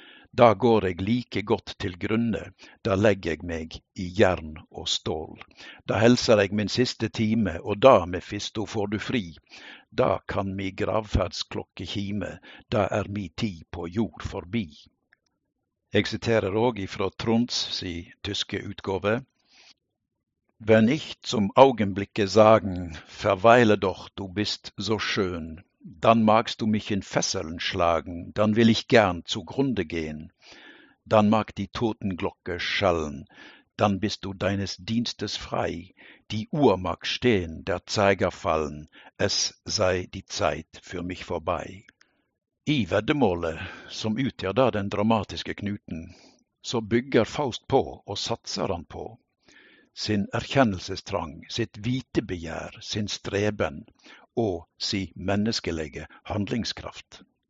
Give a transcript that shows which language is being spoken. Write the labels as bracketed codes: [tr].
[no] Da går jeg like godt til grunne, da legger jeg meg i jern og stål. Da helser jeg min siste time, og da, Mephisto, får du fri. Da kan mi gravferdsklokke kime, da er mi tid på jord forbi. Jeg siterer også ifra Trunds, si tyske utgave. [de] Wenn ich zum Augenblicke sagen, verweile doch, du bist so schön. Dann magst du mich in Fesseln schlagen, dann will ich gern zugrunde gehen. Dann mag die Totenglocke schallen, dann bist du deines Dienstes frei. Die Uhr mag stehen, der Zeiger fallen, es sei die Zeit für mich vorbei. [no] I veddemålet, som utgjør da den dramatiske knuten, så bygger Faust på og satser han på sin erkjennelsestrang, sitt vitebegjær, sin streben, og si menneskelige handlingskraft.